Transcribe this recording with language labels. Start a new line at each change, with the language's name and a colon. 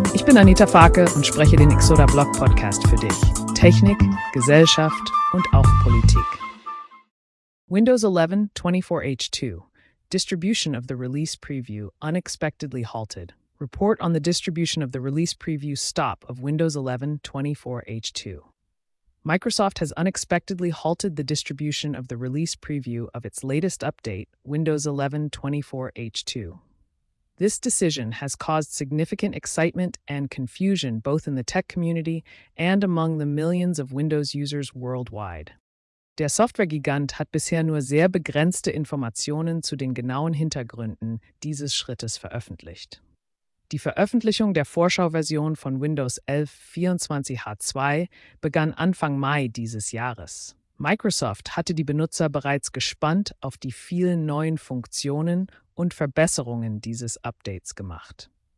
German: bin Anita Farke und spreche den Exoda-Blog-Podcast für dich. Technik, Gesellschaft und auch Politik.
English: Windows 11 24H2. Distribution of the release preview unexpectedly halted. Report on the distribution of the release preview stop of Windows 11 24H2. Microsoft has unexpectedly halted the distribution of the release preview of its latest update, Windows 11 24H2. This decision has caused significant excitement and confusion both in the tech community and among the millions of Windows users worldwide.
German: Der Softwaregigant hat bisher nur sehr begrenzte Informationen zu den genauen Hintergründen dieses Schrittes veröffentlicht. Die Veröffentlichung der Vorschauversion von Windows 11 24H2 begann Anfang Mai dieses Jahres. Microsoft hatte die Benutzer bereits gespannt auf die vielen neuen Funktionen und Verbesserungen dieses Updates gemacht.